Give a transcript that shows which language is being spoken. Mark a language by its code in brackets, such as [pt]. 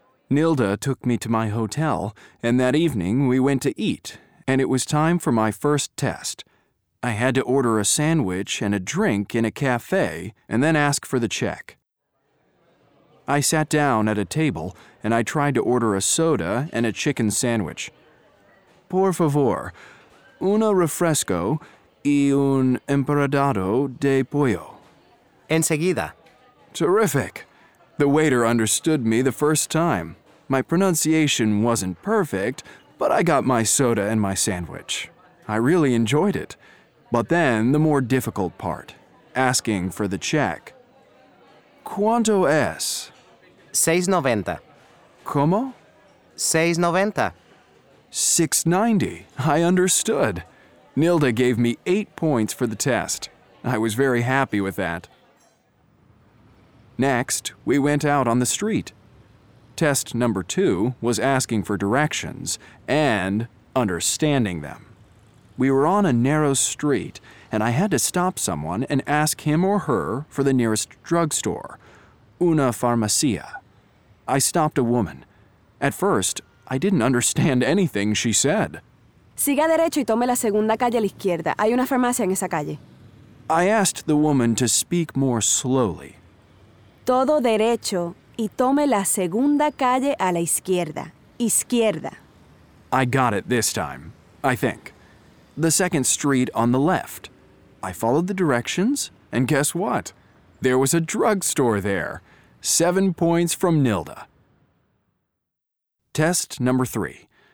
[en] Nilda took me to my hotel, and that evening we went to eat, and it was time for my first test. I had to order a sandwich and a drink in a cafe, and then ask for the check. I sat down at a table, and I tried to order a soda and a chicken sandwich. [es] Por favor, un refresco y un emparedado de pollo. Enseguida. [en] Terrific. The waiter understood me the first time. My pronunciation wasn't perfect, but I got my soda and my sandwich. I really enjoyed it. But then the more difficult part, asking for the check. [es] ¿Cuánto es? 6.90. ¿Cómo? 6.90. [en] 6.90. I understood. Nilda gave me 8 points for the test. I was very happy with that. Next, we went out on the street. Test number 2 was asking for directions and understanding them. We were on a narrow street, and I had to stop someone and ask him or her for the nearest drugstore, una farmacia. I stopped a woman. At first, I didn't understand anything she said. [es] Siga derecho y tome la segunda calle a la izquierda. Hay una farmacia en esa calle. [en] I asked the woman to speak more slowly. [es] Todo derecho y tome la segunda calle a la izquierda. Izquierda. [en] I got it this time, I think. The second street on the left. I followed the directions, and guess what? There was a drugstore there. 7 points from Nilda. Test number 3.